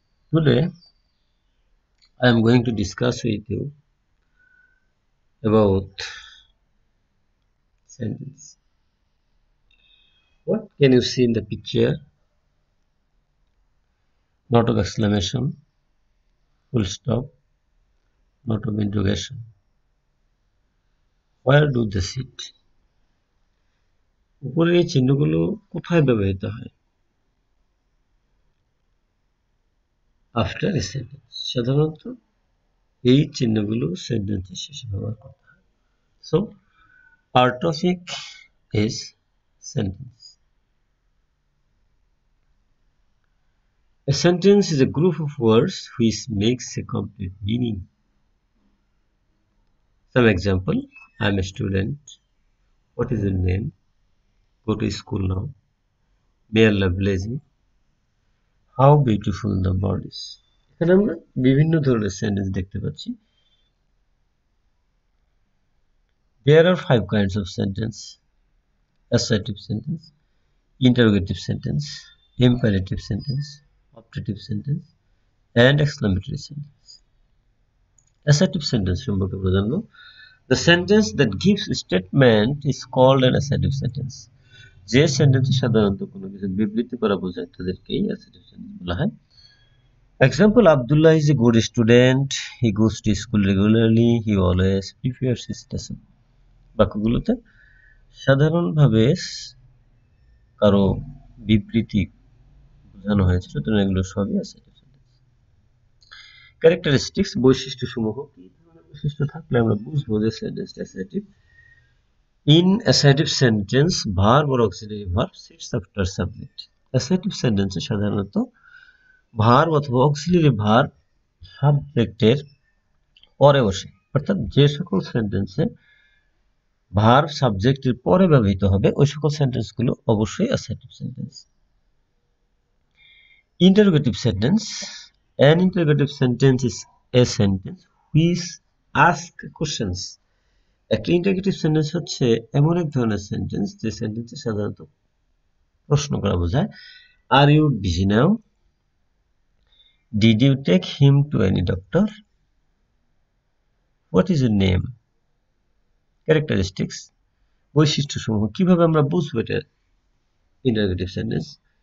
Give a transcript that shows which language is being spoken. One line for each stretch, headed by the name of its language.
English: Today I am going to discuss with you about sentence. What can you see in the picture? Not of exclamation, full stop, not of interrogation. Where do they sit?
Bangla: উপরে এই চিহ্নগুলো কোথায় ব্যবহৃত হয়?
English: After a sentence,
Bangla: সাধারণত এই চিহ্নগুলো সেন্টেন্সের শেষে ব্যবহার করা হয়।
English: So, part of it is sentence. A sentence is a group of words which makes a complete meaning. Some example: I am a student. What is your name? Go to school now. Mere Lovelace. How beautiful the world is.
Bangla: এখানে আমরা বিভিন্ন ধরনের sentence দেখতে পাচ্ছি।
English: There are five kinds of sentence: assertive sentence, interrogative sentence, imperative sentence, optative sentence and exclamatory sentence. Assertive sentence, the sentence that gives a statement is called an assertive sentence.
Bangla: যে সেন্টেন্সে সাধারণত কোনো কিছু বিবৃতি করা বোঝায় তাদেরকেই অ্যাসার্টিভ সেন্টেন্স বলা হয়।
English: Example: Abdullah is a good student, he goes to school regularly, he always prepares his lesson.
Bangla: বাক্যগুলোতে সাধারণভাবে কারো বিবৃতি বোঝানো হয়েছে, সুতরাং এগুলো সবই আছে। ক্যারেক্টারিস্টিক্স, বৈশিষ্ট্য সমূহ, কি ধরনের বৈশিষ্ট্য থাকলে আমরা বুঝবো যে সেন্টেন্সটা assertive.
English: In assertive sentence verb or auxiliary verb sits after subject.
Bangla: Assertive সেন্টেন্সে সাধারণত ভার্ব অথবা অক্সিলারি ভার্ব সাবজেক্টের পরে বসে, অর্থাৎ যে সকল সেন্টেন্সে ভার্ব সাবজেক্টের পরে ব্যবহৃত হবে ওই সকল সেন্টেন্সগুলো অবশ্যই assertive sentence.
English: Interrogative sentence. An interrogative sentence is a sentence which asks questions.
Bangla: একটা ইন্টারোগেটিভ সেন্টেন্স হচ্ছে এমন এক ধরনের সেন্টেন্স যে সেন্টেন্সে সাধারণত প্রশ্ন করা বোঝায়।
English: Are you busy now? Did you take him to any doctor? What is your name?
Bangla: Characteristics, বৈশিষ্ট্য সমূহ, কীভাবে আমরা বুঝবো এটা ইন্টারোগেটিভ সেন্টেন্স?